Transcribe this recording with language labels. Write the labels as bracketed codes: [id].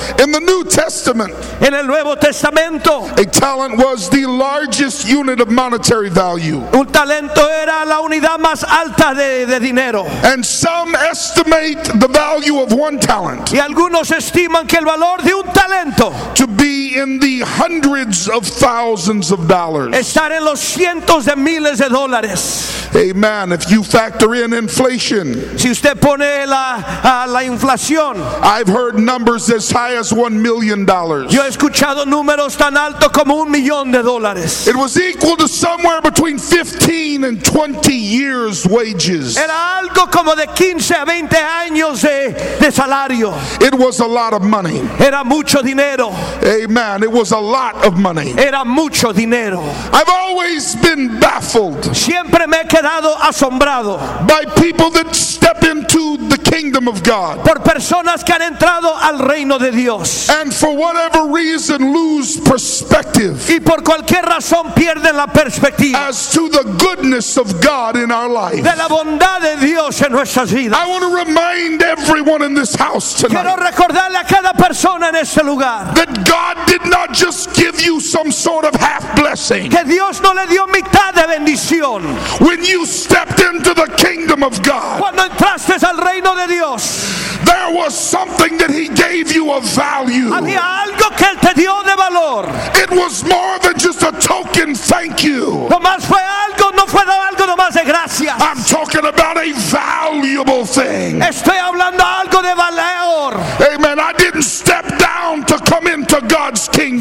[en] In the New Testament. [es] En el Nuevo Testamento. [en] A talent was the largest unit of monetary value. [es] Un talento era la unidad más alta de dinero. [en] And some estimate the value of one talent. [es] Y algunos estiman que el valor de un talento [en] to be in the hundreds of thousands of dollars. [es] Estar en los cientos de miles de dólares. [en] Amen. If you factor in inflation, [es] si usted pone la inflación, [en] I've heard numbers as high as $1 million. [es] Yo he escuchado números tan alto como $1 million. [en] It was equal to somewhere between 15 and 20 years' wages. [es] Era algo como de 15 a 20 años de salario. [en] It was a lot of money. [es] Era mucho dinero. [en] Amen. It was a lot of money. [es] Era mucho dinero. [en] I've always been baffled. [es] Siempre me he quedado asombrado. [en] By people that step into the kingdom of God. [es] Por personas que han entrado al reino de Dios. [en] And for whatever reason lose perspective. [es] Y por cualquier razón pierden la perspectiva. [en] As to the goodness of God in our life. [es] De la bondad de Dios en nuestras vidas. [en] I want to remind everyone in this house tonight. [es] Quiero recordarle a cada persona en este lugar. [en] That God did not just give you some sort of half blessing. [es] Que Dios no le dio mitad de bendición. [en] When you stepped into the kingdom of God, [es] cuando entraste al reino de Dios, [en] there was something that he gave you of value. [es] Había algo que él te dio de valor. [en] It was more than just a token thank you. [es] No más fue algo, no fue algo nomás de gracias. [en] I'm talking about a valuable thing. [es] Estoy hablando algo de valor. [en] Amen. I didn't step down to come into God's kingdom.